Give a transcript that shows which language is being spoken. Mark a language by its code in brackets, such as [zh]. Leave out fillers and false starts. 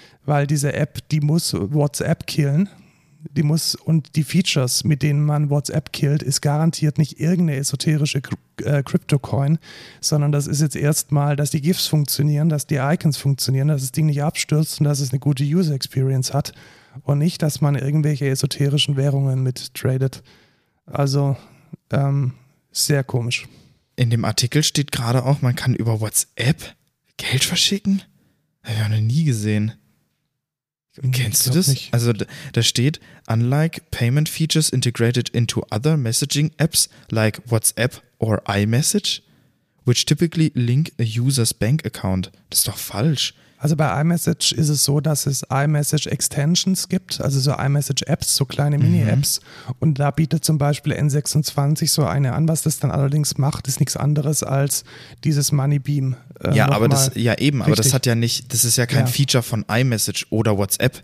[de] Weil diese App, die muss WhatsApp killen. Die muss, und die Features, mit denen man WhatsApp killt, ist garantiert nicht irgendeine esoterische Crypto-Coin, sondern das ist jetzt erstmal, dass die GIFs funktionieren, dass die Icons funktionieren, dass das Ding nicht abstürzt und dass es eine gute User Experience hat und nicht, dass man irgendwelche esoterischen Währungen mit tradet. Also sehr komisch. In dem Artikel steht gerade auch, man kann über WhatsApp Geld verschicken? Habe ich noch nie gesehen. Kennst du das? Nicht. Also da steht, [en] unlike payment features integrated into other messaging apps like WhatsApp or iMessage, which typically link a user's bank account. [de] Das ist doch falsch. Also bei iMessage ist es so, dass es iMessage Extensions gibt, also so iMessage Apps, so kleine Mini-Apps. Mhm. Und da bietet zum Beispiel N26 so eine an. Was das dann allerdings macht, ist nichts anderes als dieses Moneybeam. Das hat ja nicht, das ist ja kein Feature von iMessage oder WhatsApp.